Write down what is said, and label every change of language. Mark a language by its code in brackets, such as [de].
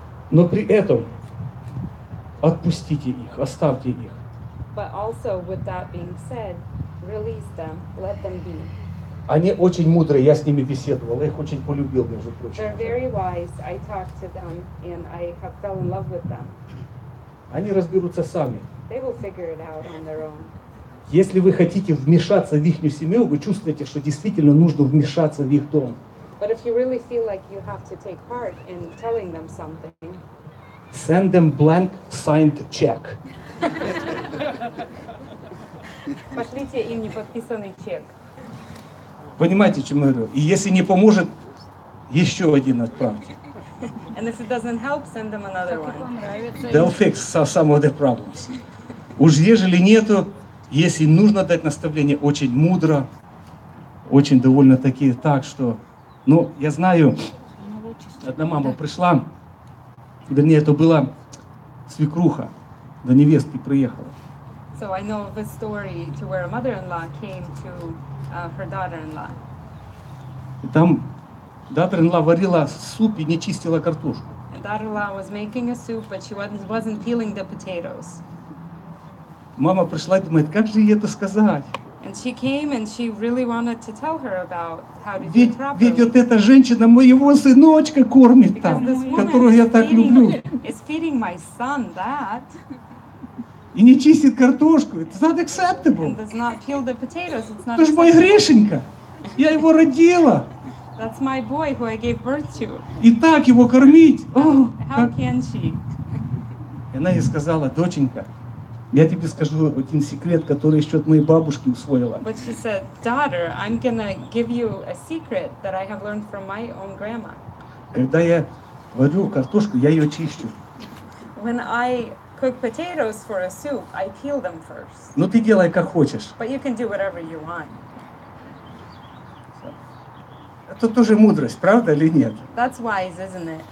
[ru] Но при этом отпустите их, оставьте их. [en] But also, with that being said, release them, let them be. [ru] Они очень мудрые, я с ними беседовал, я их очень полюбил, между прочим. [en] They're very wise, I talked to them, and I have fell in love with them. [ru] Они разберутся сами. [en] They will figure it out on their own. [ru] Если вы хотите вмешаться в их семью, вы чувствуете, что действительно нужно вмешаться в их дом. [en] But if you really feel like you have to take part in telling them something. Send them blank signed check. [ru] Пошлите им неподписанный чек. Понимаете, о чем я говорю? И если не поможет, еще один отправьте. [en] And if it doesn't help, send them another one. They'll fix some of the problems. [ru] Уж ежели нету, если нужно дать наставление, очень мудро, очень довольно-таки так, что... Ну, я знаю, одна мама пришла, вернее, это была свекруха, до невестки приехала. [en] So I know of a story to where a mother-in-law came to her daughter-in-law. [ru] И там daughter-in-law варила суп и не чистила картошку. [en] And daughter-in-law was making a soup, but she wasn't peeling the potatoes. [ru] Мама пришла и думает, как же ей это сказать? [en] And she came and she really wanted to tell her about how to [ru] ведь, [en] do properly. [ru] Ведь вот эта женщина моего сыночка кормит [en] Because [ru] там, которую я так люблю. [en] Is feeding my son that. [ru] И не чистит картошку. [en] It's not acceptable. And does not peel the potatoes. It's not [ru] это же мой грешенька. Я его родила. [en] That's my boy who I gave birth to. [ru] И так его кормить. Oh, [en] how как... can she? [ru] И она ей сказала, доченька, я тебе скажу один секрет, который еще от моей бабушки усвоила. [en] But she said, daughter, I'm gonna give you a secret that I have learned from my own grandma. [ru] Когда я варю картошку, я ее чищу. [en] When I cook potatoes for a soup, I peel them first. [ru] Ну ты делай как хочешь. [en] But you can do whatever you want. [ru] Это тоже мудрость, правда или нет? [en] That's wise, isn't it?